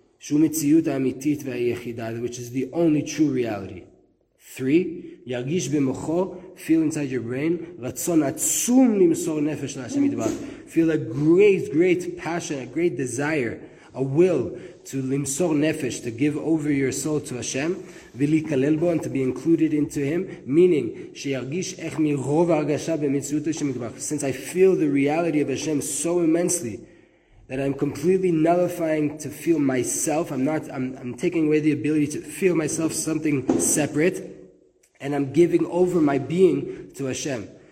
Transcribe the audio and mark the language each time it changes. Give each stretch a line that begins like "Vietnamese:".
Hebrew: שהוא מציאות האמיתית והיחידה,
English: which is the only true reality.
Hebrew: 3, ירגיש במוחו,
English: feel inside your brain,
Hebrew: רצון עצום למסור נפש להשם ידבר.
English: Feel a great, great passion, a great desire, a will to limsor nefesh, to give over your soul to Hashem,
Hebrew: ולהיכלל בו,
English: and to be included into Him, meaning,
Hebrew: שירגיש איך מרוב הרגשה במציאות השם ידבר.
English: Since I feel the reality of Hashem so immensely, that I'm completely nullifying to feel myself, I'm taking away the ability to feel myself something separate, and I'm giving over my being to Hashem.